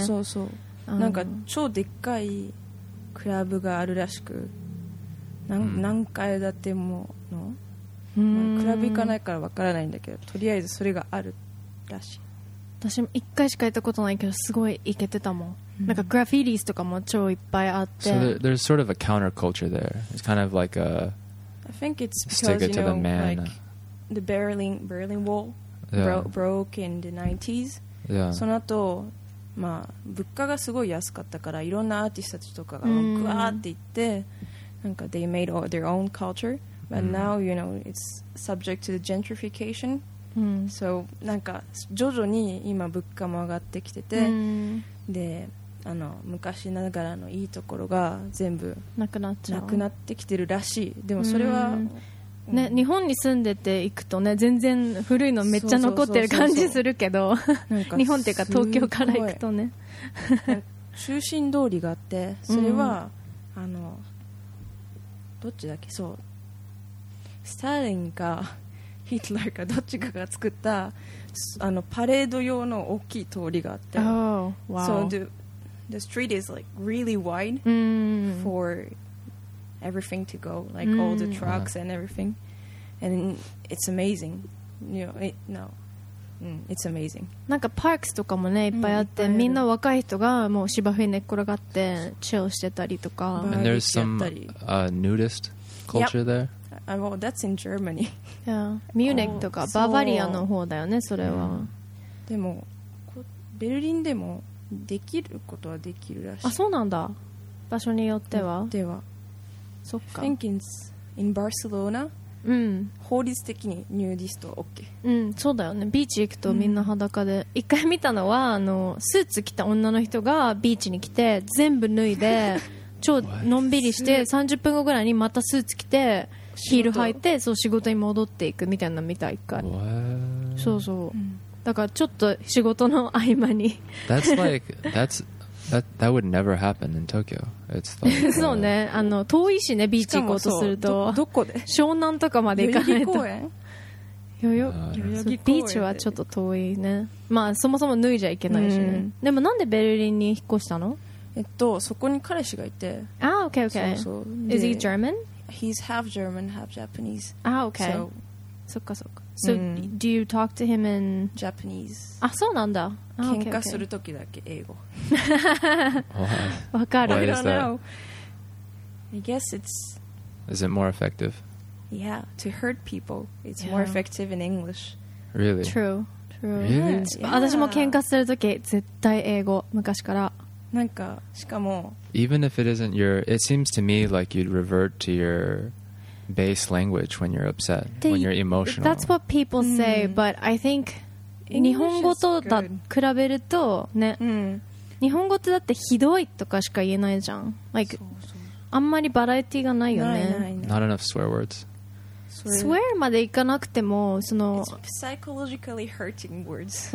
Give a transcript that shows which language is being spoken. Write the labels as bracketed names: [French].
[Japanese] そうそうそうなんか超でっかいクラブがあるらしくなん、mm. 何階建てものクラブ行かないからわからないんだけどとりあえずそれがあるらしい私も1回しか行ったことないけどすごい行けてたもん、うん、なんかグラフィティとかも超いっぱいあって [English] So there's sort of a counterculture there It's kind of like a I think it's because you know like the Berlin Wall、 yeah. broke in the 90s、 yeah. [Japanese] その後、まあ、物価がすごい安かったからいろんなアーティストたちとかがグワーって行って、うん、なんか [English] they made all their own cultureBut、 [Japanese] mm. [English] now, you know, it's subject to the gentrification.、 Mm. [Japanese] So, なんか徐々に今物価も上がってきてて、 mm. で、あの、昔ながらのいいところが全部なくなっちゃう。なくなってきてるらしい。でもそれは、 mm. うん、ね、日本に住んでて行くとね、全然古いのめっちゃ残ってる感じするけど、日本っていうか東京から行くとね、中心通りがあって、それは、mm. あの、どっちだっけ、そう。スターリンかヒトラーかどっちかが作ったあのパレード用の大きい通りがあって、 [English] oh, wow. so the street is like really wide、 mm. for everything to go like、mm. all the trucks、yeah. and everything and it's amazing you know it, no、mm, it's amazing [Japanese] なんかパークスとかもねいっぱいあって、mm, いっぱいあるみんな若い人がもう芝生に寝っ転がってチルしてたりとか [English] and there's some、nudist culture、 there? Well, that's in Germany. [Japanese] Yeah, Munich とか、oh, Bavaria の方だよね、それは。でも、ベルリンでもできることはできるらしい。あ、そうなんだ。場所によっては。では。そっか。 [English] I think it's in Barcelona. [Japanese] うん。法律的にニューディスト OK。うん、そうだよね。ビーチ行くとみんな裸で。うん、一回見たのは、あの、スーツ着た女の人がビーチに来て、全部脱いで、超のんびりして、30分後ぐらいにまたスーツ着て、ヒール履いてそう仕事に戻っていくみたいなの見た一回そうそう、うん、だからちょっと仕事の合間に [English] That's like that's, that, that would never happen in Tokyo It's like, [Japanese] そうねあの遠いしねビーチ行こうとするとどこで湘南とかまで行かないと代々木公園ビーチはちょっと遠いねまあそもそも脱いじゃいけないしね、うん、でもなんでベルリンに引っ越したのそこに彼氏がいてあ、ah, OK OK そうそう [English] Is he German He's half German, half Japanese. Ah, okay. So, [Japanese] そっかそっか。 [English] So,、mm. do you talk to him in Japanese? [Japanese] あ、そうなんだ。喧嘩するときだけ英語。わかる。 [English] Why is that? I guess it's. Is it more effective? Yeah, to hurt people, it's、yeah. more effective in English. Really? True. True. Really? Yeah. [Japanese] 私も喧嘩するとき絶対英語昔から。なんかしかも [English] Even if it isn't your It seems to me like you'd revert to your base language when you're upset When you're emotional That's what people say、mm. But I think、 English、 [Japanese] 日本語とだ比べるとね、 mm. 日本語ってだってひどいとかしか言えないじゃん like, そうそうそうあんまりバラエティがないよねないないない [English] Not enough swear words [Japanese] Swear までいかなくてもその [English] It's psychologically hurting words、